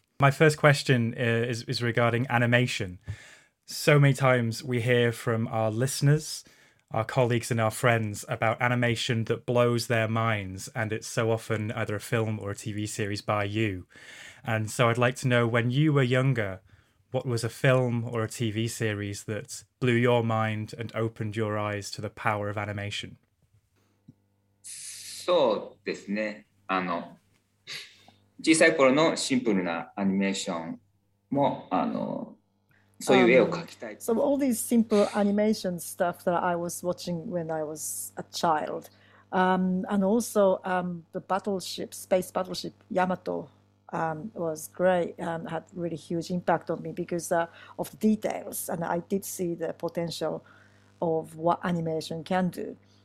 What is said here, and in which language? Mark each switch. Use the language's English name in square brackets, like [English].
[English] My first question is regarding animation. So many times we hear from our listeners, our colleagues and our friends about animation that blows their minds, and it's so often either a film or a TV series by you. And so I'd like to know, when you were younger, what was a film or a TV series that blew your mind and opened your eyes to the power of animation? [Japanese] So, ですね、あの、小さい頃のシンプルなアニメーションも、あの、そういう絵を描きたい。 [English] So all these simple animation stuff that I was watching when I was a child, and also the battleship, space battleship Yamato, was great and had really huge impact on me because of the details, and I did see the potential of what animation can do.